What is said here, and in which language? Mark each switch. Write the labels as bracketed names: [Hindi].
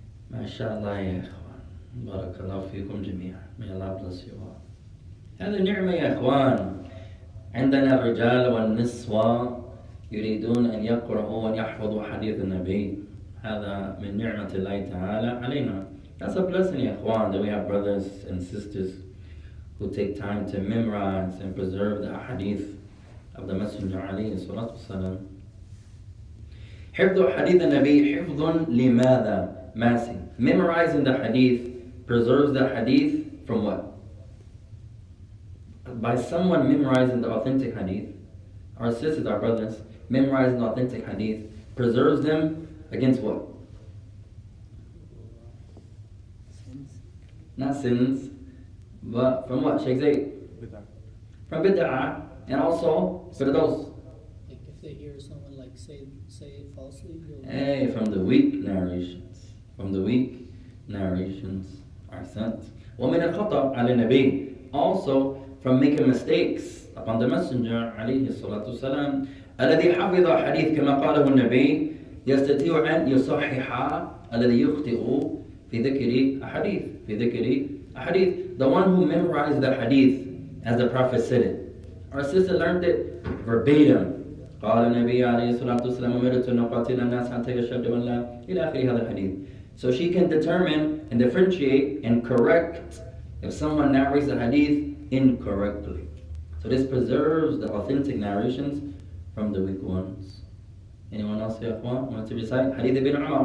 [Arabic] ما شاء الله يا إخوان. بارك الله فيكم جميعا. [English] May Allah bless you all. [Arabic] هذه نعمة يا إخوان. عندنا الرجال والنسوة يريدون أن يقرأوا ويحفظوا حديث النبي. هذا من نعمة الله تعالى علينا. [English] That's a blessing [Arabic] يا إخوان [English] that we have brothers and sisters who take time to memorize and preserve the hadith of the Messenger [Arabic] عليه الصلاة والسلام. حفظ حديث النبي حفظ لماذا ماسي. [English] Memorizing the hadith preserves the hadith from what? By someone memorizing the authentic hadith, our sisters, our brothers, memorizing the authentic hadith preserves them against what? Not sins. But from what, Shaykh Zayd? Bid'ah. From bid'ah, and also for those. Like if they hear someone like say it falsely, you'll... Hey, from the weak narrations. From the weak narrations are sent. [Arabic] ومن الخطأ على النبي. [English] Also, from making mistakes upon the Messenger, [Arabic] عليه الصلاة والسلام. الذي حفظ حديث كما قاله النبي, يستطيع أن يصحح الذي يخطئ في ذكر حديث. في ذكر حديث. [English] The one who memorized the hadith, as the Prophet said it. Our sister learned it verbatim. [Arabic] قال النبي عليه الصلاة والسلام أمرت أن أقاتل الناس حتى يشهدوا أن لا إله إلا الله هذا الحديث. [English] So she can determine and differentiate and correct if someone narrates the hadith incorrectly. So this preserves the authentic narrations from the weak ones. Anyone else here, Juan, want to recite Hadith ibn Umar?